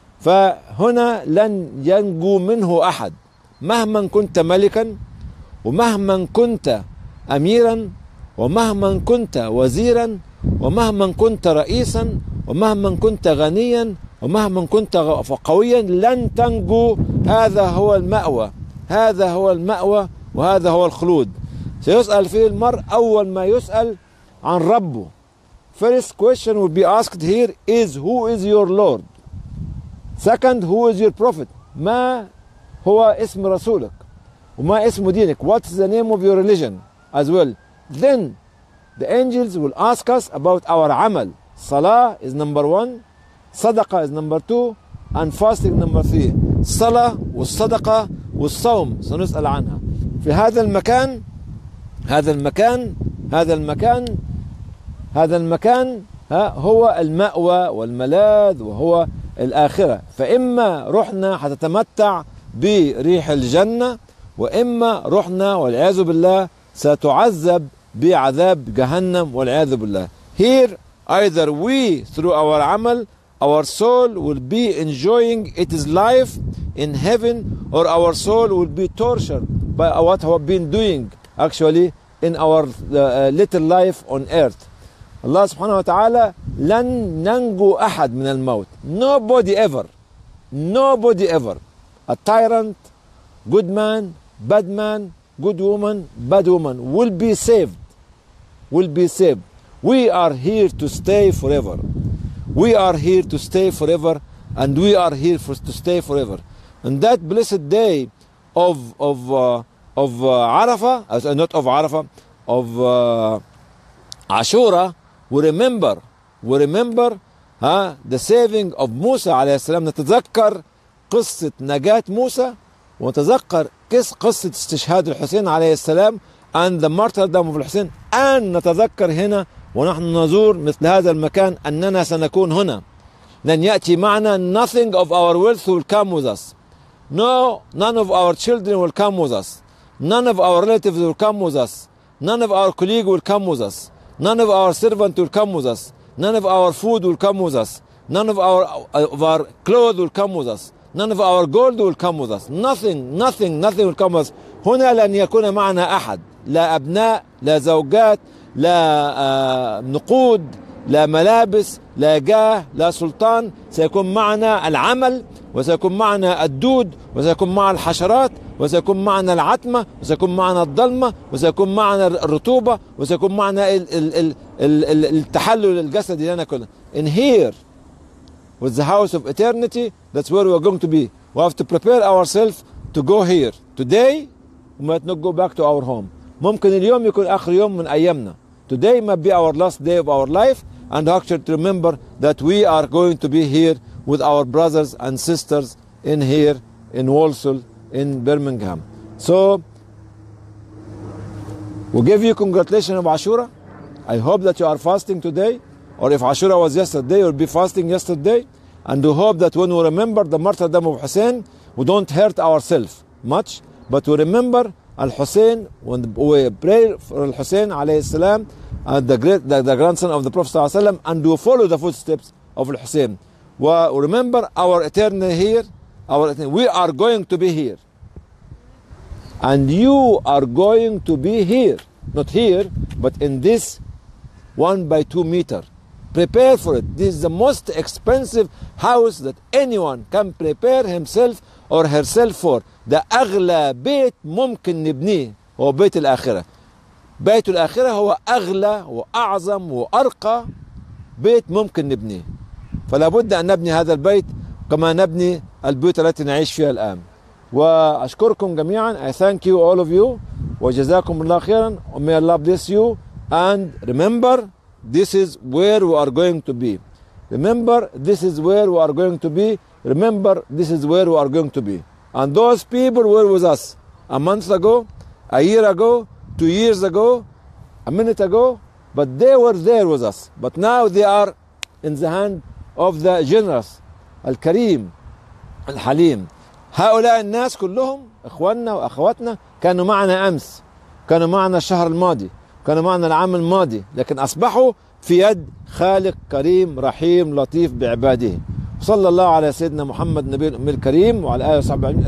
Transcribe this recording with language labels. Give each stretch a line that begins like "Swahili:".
Arabic: فهنا لن ينجو منه أحد، مهما كنت ملكا ومهما كنت أميرا ومهما كنت وزيرا ومهما كنت رئيسا ومهما كنت غنيا ومهما كنت قويا، لن تنجو. هذا هو المأوى، هذا هو المأوى، وهذا هو الخلود. سيسأل فيه المرء أول ما يسأل عن ربه.
English: First question will be asked here is, who is your Lord? Second, who is your Prophet?
Arabic: ما هو اسم رسولك؟ وما اسم دينك؟
English: What's the name of your religion as well? Then the angels will ask us about our عمل. Salah is number one. Sadaqah is number two. And fasting number three.
Arabic: Salah والصدقه والصوم سنسأل عنها. في هذا المكان، هذا المكان، هذا المكان، هذا المكان هو المأوى والملاذ وهو الآخرة. فإما رحنا حتتمتع بريح الجنة، وإما رحنا والعياذ بالله ستعذب بعذاب جهنم والعياذ بالله.
English: Here either we through our عمل, our soul will be enjoying its life in heaven, or our soul will be tortured by what we have been doing actually in our little life on earth.
Arabic: الله سبحانه وتعالى لن ننجو أحد من الموت.
English: Nobody ever. A tyrant, good man, bad man, good woman, bad woman will be saved. We are here to stay forever. We are here to stay forever, and we are here for to stay forever. And that blessed day of Ashura. We remember the saving of Musa عليه السلام.
Arabic: نتذكر قصة نجاة موسى، ونتذكر قصة استشهاد الحسين عليه السلام
English: and the martyrdom of
Arabic: الحسين. أن نتذكر هنا ونحن نزور مثل هذا المكان أننا سنكون هنا. لن يأتي معنا.
English: Nothing of our wealth will come with us. No, none of our children will come with us. None of our relatives will come with us. None of our colleagues will come with us. None of our servants will come with us. None of our food will come with us. None of our clothes will come with us. None of our gold will come with us. Nothing will come with us.
Arabic: هنا لن يكون معنا أحد. لا أبناء، لا زوجات، لا نقود، لا ملابس، لا جاه، لا سلطان. سيكون معنا العمل، وسيكون معنا الدود، وسيكون مع الحشرات، وسيكون معنا العتمة، وسيكون معنا الضلمة، وسيكون معنا الرطوبة، وسيكون معنا التحلل الجسدي لنا كله.
English: In here with the house of eternity. That's where we are going to be. We have to prepare ourselves to go here. Today, we might not go back to our home.
Arabic: ممكن اليوم يكون آخر يوم من أيامنا.
English: Today might be our last day of our life, and actually to remember that we are going to be here with our brothers and sisters in here, in Walsall, in Birmingham. So, we give you congratulations of Ashura. I hope that you are fasting today, or if Ashura was yesterday, you'll be fasting yesterday. And we hope that when we remember the martyrdom of Hussein, we don't hurt ourselves much, but we remember Al-Hussein, when we pray for Al-Hussein alayhi salam, the grandson of the Prophet sallallahu alayhi wa sallam, and we follow the footsteps of Al-Hussein. We remember our eternity here, we are going to be here. And you are going to be here, not here, but in this 1 by 2 meter. Prepare for it. This is the most expensive house that anyone can prepare himself or herself for.
Arabic: The أغلى بيت ممكن نبنيه هو بيت الآخرة. بيت الآخرة هو أغلى وأعظم وأرقى بيت ممكن نبنيه. فلا بد أن نبني هذا البيت كما نبني البيوت التي نعيش فيها الآن. وأشكركم جميعا.
English: I thank you all of you.
Arabic: وجزاكم الله خيرا.
English: May Allah bless you. And remember, this is where we are going to be. Remember, this is where we are going to be. Remember, this is where we are going to be. And those people were with us a month ago, a year ago, 2 years ago, a minute ago, but they were there with us. But now they are in the hand of the generous, Al-Kareem, Al-Haleem.
Arabic: هؤلاء الناس كلهم إخواننا وأخواتنا كانوا معنا أمس، كانوا معنا الشهر الماضي، كانوا معنا العام الماضي، لكن أصبحوا في يد خالق كريم رحيم لطيف بعباده. صلى الله على سيدنا محمد نبي الأمي الكريم وعلى آله وصحبه.